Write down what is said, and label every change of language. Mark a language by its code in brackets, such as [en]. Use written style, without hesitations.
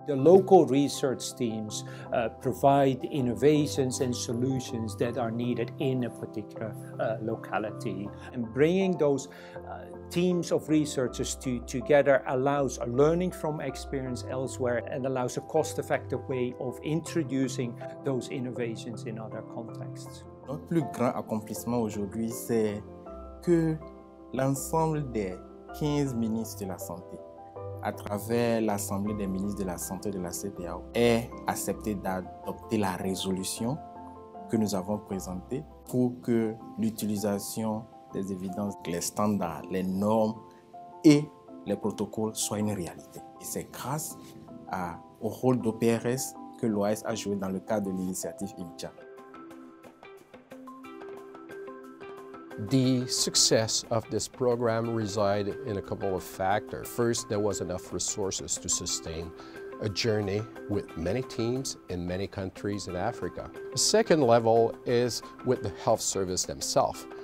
[en] The local research teams provide innovations and solutions that are needed in a particular locality. And bringing those teams of researchers together allows a learning from experience elsewhere and allows a cost-effective way of introducing those innovations in other contexts. [fr] Notre plus grand accomplissement aujourd'hui, c'est que l'ensemble des 15 ministres de la Santé, à travers l'Assemblée des ministres de la Santé de la CEDEAO, ait accepté d'adopter la résolution que nous avons présentée pour que l'utilisation des évidences, les standards, les normes et les protocoles soient une réalité. Et c'est grâce au rôle d'OPRS que l'OAS a joué dans le cadre de l'initiative IMCHA. [en] The success of this program resides in a couple of factors. First, there was enough resources to sustain a journey with many teams in many countries in Africa. The second level is with the health service themselves.